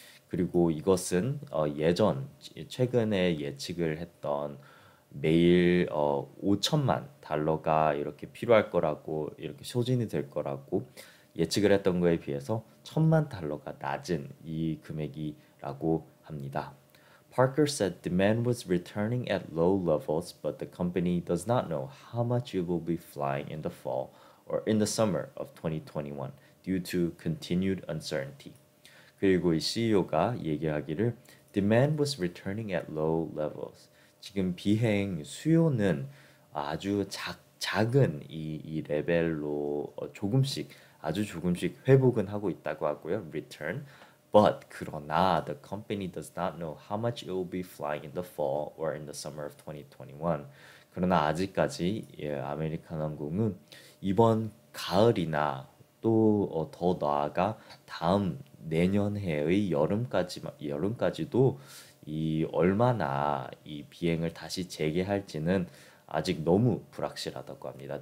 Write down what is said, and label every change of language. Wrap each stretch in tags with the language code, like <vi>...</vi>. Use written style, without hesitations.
<ko>그리고 이것은 최근에 예측을 했던 매일 5천만 달러가 이렇게 필요할 거라고 이렇게 소진이 될 거라고 예측을 했던 거에 비해서 1천만 달러가 낮은 이 금액이라고 합니다.</ko> <en>Parker said demand was returning at low levels, but the company does not know how much it will be flying in the fall or in the summer of 2021 due to continued uncertainty.</en> <ko>그리고 이 CEO가 얘기하기를</ko> <en>demand was returning at low levels.</en> <ko>지금 비행 수요는 아주 작은 이 레벨로 조금씩 회복은 하고 있다고 하고요.</ko> <en>Return. But</en> <ko>그러나</ko> <en>the company does not know how much it will be flying in the fall or in the summer of 2021.</en> <ko>그러나 아직까지 아메리칸 항공은 이번 가을이나 또더 나아가 다음 내년해의 여름까지도 이 얼마나 이 비행을 다시 재개할지는 아직 너무 불확실하다고 합니다.</ko>